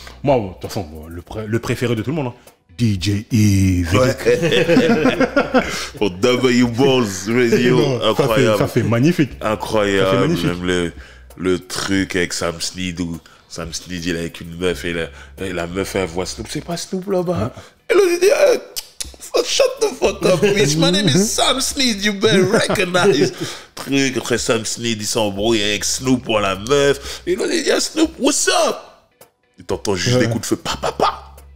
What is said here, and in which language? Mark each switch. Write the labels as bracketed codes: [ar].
[fr] Moi, de toute façon, le préféré de tout le monde, hein, DJ Eve. Pour W Balls Radio, incroyable. Ça fait magnifique. Incroyable, magnifique. Même le truc avec Sam Snead où Sam Snead, il est avec une meuf et la meuf, elle voit Snoop. C'est pas Snoop là-bas. Hein? Et là, j'ai dit, [en] shut the fuck up, bitch. My name is Sam Snead, you better recognize. [fr] Truc, après Sam Snead, il s'embrouille avec Snoop pour la meuf. Et là, j'ai dit, [en] Snoop, what's up? [fr] Et t'entends juste des coups de feu, papa.